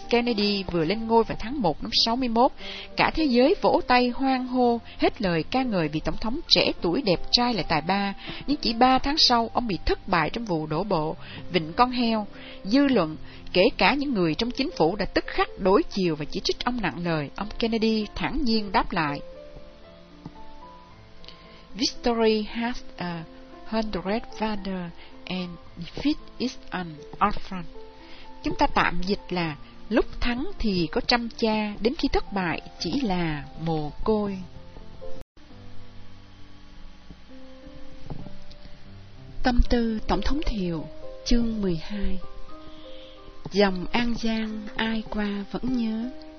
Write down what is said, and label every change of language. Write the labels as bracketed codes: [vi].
[vi] Kennedy vừa lên ngôi vào tháng 1 năm 61, cả thế giới vỗ tay hoan hô, hết lời ca ngợi vì Tổng thống trẻ tuổi đẹp trai lại tài ba, nhưng chỉ 3 tháng sau, ông bị thất bại trong vụ đổ bộ, vịnh con heo. Dư luận, kể cả những người trong chính phủ đã tức khắc đối chiều và chỉ trích ông nặng lời, ông Kennedy thản nhiên đáp lại. [en] Victory has a hundred father and defeat is an orphan. [vi] Chúng ta tạm dịch là lúc thắng thì có trăm cha, đến khi thất bại chỉ là mồ côi. Tâm tư Tổng thống Thiệu, chương 12. Dòng An Giang ai qua vẫn nhớ.